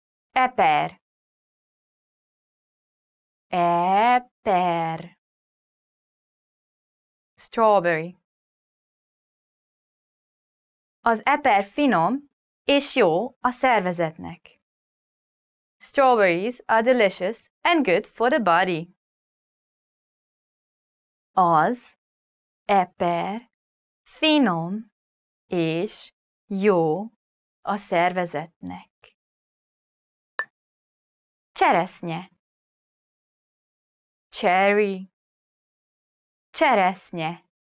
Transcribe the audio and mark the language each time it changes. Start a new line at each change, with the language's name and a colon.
Hungarian: Eper. Eper.
English: Strawberry.
Hungarian: Az eper finom és jó a szervezetnek.
English: Strawberries are delicious and good for the body.
Hungarian: Az eper finom és jó a szervezetnek. Cseresznye. Cherry. Cseresznye.